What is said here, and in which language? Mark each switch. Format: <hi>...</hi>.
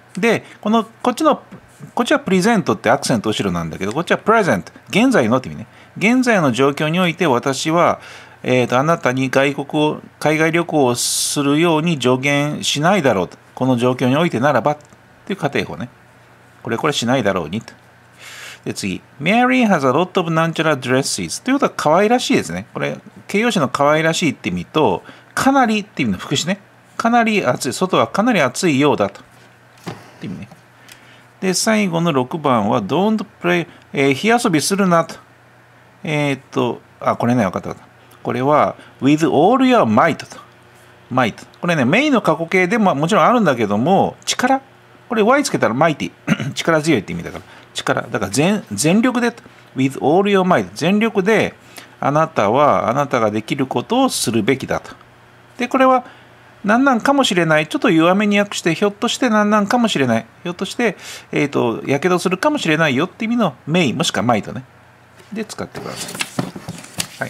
<ja>で、この、こっちはプレゼントってアクセント後ろなんだけど、こっちはプレゼント、現在のという意味ね、現在の状況において私は、あなたに外国を、海外旅行をするように助言しないだろうと、この状況においてならば、という仮定法ね、これしないだろうにと。で次、</ja> <en>Mary has a lot of</en> <ja>なんちゃら</ja> <en>dresses。</en> <ja>ということは、可愛らしいですね。これ、形容詞の可愛らしいって意味と、かなりって意味の副詞ね。かなり暑い、外はかなり暑いようだと。って意味ね。で、最後の6番は、</ja> <en>Don't play、</en> <ja>火遊びするなと。これね、分かった。これは、</ja> <en>With all your might と。 might。</en> <ja>これね、メインの過去形でも、もちろんあるんだけども、力。これ、Y つけたら、mighty。力強いって意味だから。力だから 全力で、</ja> <en>with all your might、</en> <ja>全力で、あなたはあなたができることをするべきだと。でこれは何なんかもしれない、ちょっと弱めに訳して、ひょっとして何なんかもしれない、ひょっとしてやけどするかもしれないよって意味のメイン、もしくはマイトね、で使ってください。</ja>